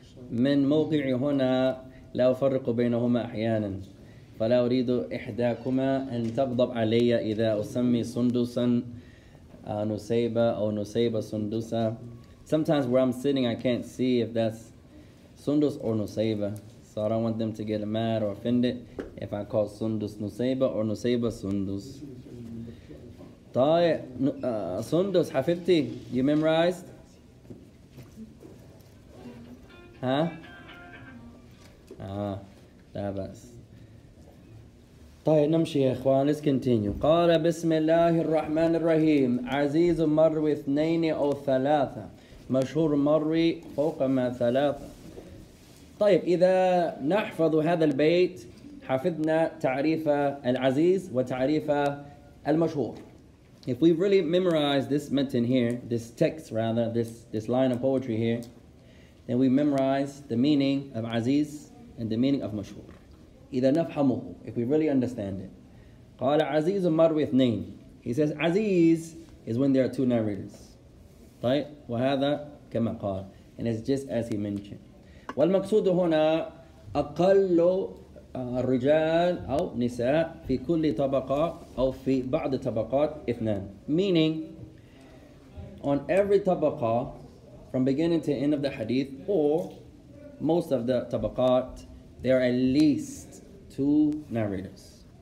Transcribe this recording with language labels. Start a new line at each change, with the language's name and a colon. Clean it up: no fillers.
Arabic: من موقع هنا لا أفرق بينهما أحيانا، فلا أريد إحداكما أن تغضب علي إذا أسمي سندسا نسيبة أو نسيبة سندسا.
English: Sometimes where I'm sitting, I can't see if that's Sundus or Nusayba. So I don't want them to get mad or offended if I call Sundus Nusayba or Nusayba Sundus. Sundus, Hafifti, you memorized? Huh? Tabas.
Arabic: طيب نمشي يا اخوان.
English: Let's continue.
Arabic: قال بسم الله الرحمن الرحيم عزيز مر اثنين او ثلاثة مشهور مروي فوق ما ثلاثة. طيب إذا نحفظ هذا البيت حفظنا تعريف العزيز وتعريف المشهور.
English: If we really memorize this matin here, this text rather, this line of poetry here, then we memorize the meaning of عزيز and the meaning of مشهور.
Arabic: إذا نفهمه,
English: if we really understand it.
Arabic: قال عزيز مروي اثنين.
English: He says عزيز is when there are two narrators.
Arabic: طيب وهذا كما قال,
English: and it's just as he mentioned.
Arabic: والمقصود هنا أقل الرجال أو نساء في كل طبقة أو في بعض طبقات اثنان.
English: Meaning, on every طبقة, from beginning to end of the hadith, or most of the طبقات, there are at least two narrators.